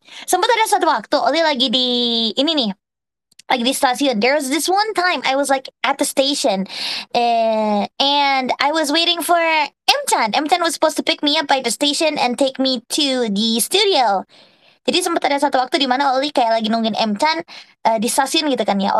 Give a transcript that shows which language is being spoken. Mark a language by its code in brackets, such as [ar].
[id] Sempat ada satu waktu, Oli lagi di, ini nih, lagi di stasiun. [en] There was this one time I was like at the station, and I was waiting for Emchan. Emchan was supposed to pick me up by the station and take me to the studio. [id] Jadi sempat ada satu waktu di mana Oli kayak lagi nungguin Emchan di stasiun gitu kan ya.